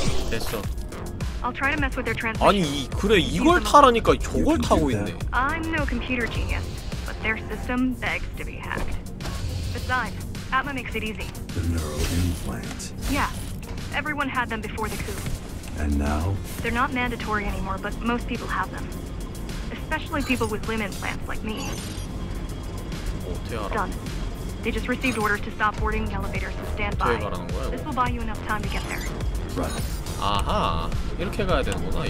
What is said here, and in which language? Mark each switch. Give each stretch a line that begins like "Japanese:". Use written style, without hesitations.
Korean: 됐어.
English: I'll try to mess with their transmission.
Korean: 아니, 그래 이걸 타라니까 저걸 타고 있네.
English: I'm no computer genius, but their system begs to be hacked. Besides, Atma makes it easy. The neural implant. Yeah. Everyone had them before the coup. And now? They're not mandatory anymore, but most people have them. Especially people with limb implants like me.
Korean: 어떻게 알아?
English: Done. They just received orders to stop boarding the elevators and stand by. This will buy you enough time to get there. Right.
Korean: 아하, 이렇게 가야 되는구나.